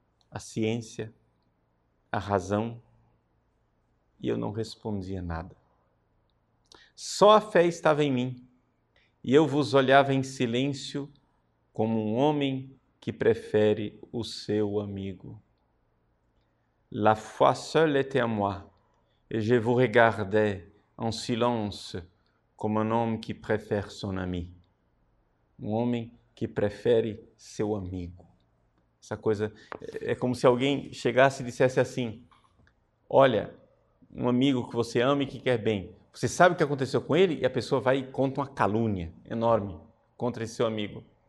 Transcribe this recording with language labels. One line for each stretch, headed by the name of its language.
Portuguese: A ciência, a razão, e eu não respondia nada. Só a fé estava em mim, e eu vos olhava em silêncio como um homem que prefere o seu amigo.
French: La foi seule était à moi, et je vous regardais en silence comme un homme qui préfère son ami.
Portuguese: Um homem que prefere seu amigo. Essa coisa é como se alguém chegasse e dissesse assim: Olha, um amigo que você ama e que quer bem. Você sabe o que aconteceu com ele? E a pessoa vai e conta uma calúnia enorme contra esse seu amigo.